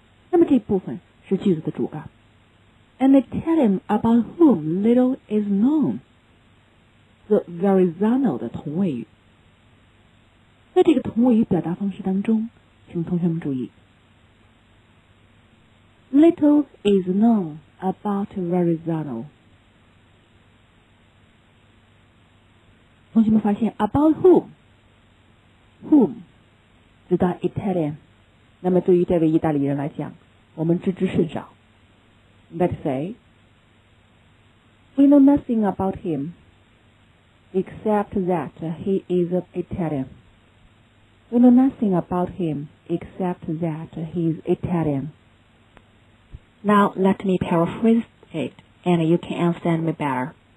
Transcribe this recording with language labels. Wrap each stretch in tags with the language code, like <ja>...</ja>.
<zh>那么这部分是句子的主干。</zh> <en>And they tell him about whom little is known.</en> <zh>这 Verrazano 的同位语。在这个同位语表达方式当中，请同学们注意。</zh> <en>Little is known about Verrazano.</en> <zh>同学们发现</zh> <en>about whom? Whom?</en> <zh>指的 Italian. 那么对于这位意大利人来讲，我们知之甚少。</zh> <en>Let's say, we know nothing about him except that he is Italian. We know nothing about him except that he is Italian. Now, let me paraphrase it, and you can understand me better.</en>